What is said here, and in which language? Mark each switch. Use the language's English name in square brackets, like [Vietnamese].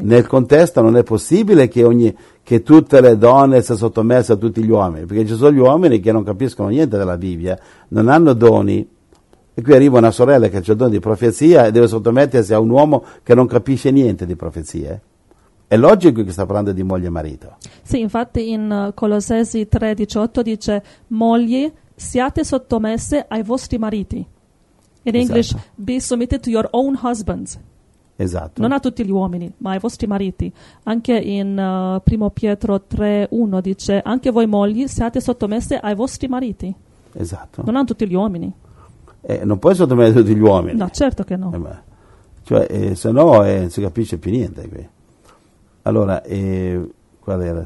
[Italian] Nel contesto non è possibile che tutte le donne siano sottomesse a tutti gli uomini, perché ci sono gli uomini che non capiscono niente della Bibbia, non hanno doni, e qui arriva una sorella che ha il dono di profezia e deve sottomettersi a un uomo che non capisce niente di profezie. È logico che sta parlando di moglie e marito. Sì, infatti in Colossesi 3:18 dice mogli, siate sottomesse ai vostri mariti. [English] In English, be submitted to your own husbands. [Italian] Esatto. Non a tutti gli uomini, ma ai vostri mariti. Anche in 1 Pietro 3:1 dice anche voi mogli, siate sottomesse ai vostri mariti. Esatto. Non a tutti gli uomini. Non puoi sottomettere tutti gli uomini. No, certo che no. Cioè, se no non si capisce più niente qui. Allora, qual era?